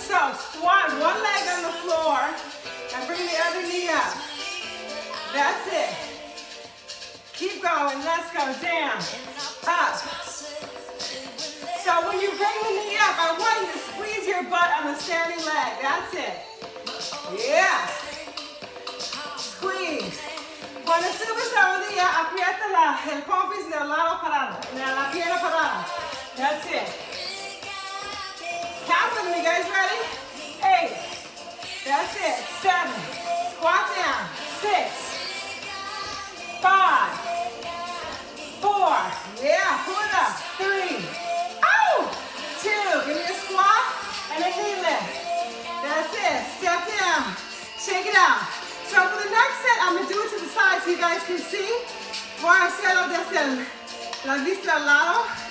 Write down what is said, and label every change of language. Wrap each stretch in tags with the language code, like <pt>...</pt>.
<en>So squat one leg on the floor and bring the other knee up. That's it. Keep going. Let's go. Down. Up. So when you bring the knee up, I want you to squeeze your butt on the standing leg. That's it. Yeah. Squeeze.</en> <es>Cuando subes la rodilla, aprieta la, el pompis en el lado parado, en la pierna parada.</es> <en>That's it. Count with me, guys, ready? Eight. That's it. Seven. Squat down. Six. Five. Four. Yeah, pull it up. Three. Ow! Two. Give me a squat and a knee lift. That's it. Step down. Shake it out. So for the next set, I'm going to do it to the side so you guys can see.</en> <es>Voy a hacerlo desde la vista al lado.</es>